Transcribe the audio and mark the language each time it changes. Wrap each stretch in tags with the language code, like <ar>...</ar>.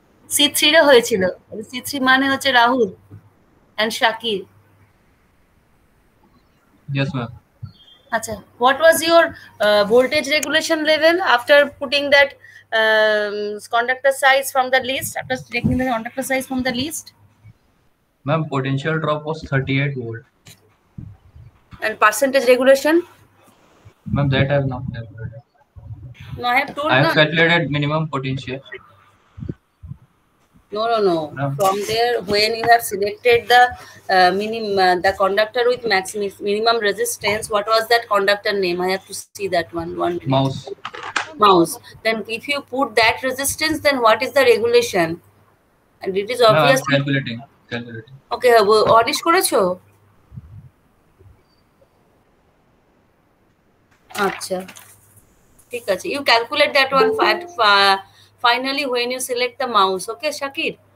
<bn>C3 রে হয়েছিল, C3 মানে হচ্ছে Rahul and Shakir.</bn> <en>Yes, ma'am. আচ্ছা, what was your voltage regulation level after putting that conductor size from the list, after checking the conductor size from the list? Ma'am, potential drop was 38 volt. And percentage regulation? Ma'am, that I have not calculated. No, I have told I have</en> <bn>na.</bn> <en>calculated minimum potential. No, no, no. Ma'am. From there, when you have selected the minimum, the conductor with maximum minimum resistance, what was that conductor name? I have to see that one. 1 minute. Mouse. Mouse. Then, if you put that resistance, then what is the regulation? And it is Ma'am, I obvious. am calculating. Calculating.</en> <bn>Okay, অডিশ করেছো? আচ্ছা, ঠিক আছে,</bn> <en>You calculate that one finally when you select the mouse. Okay Shakir,</en>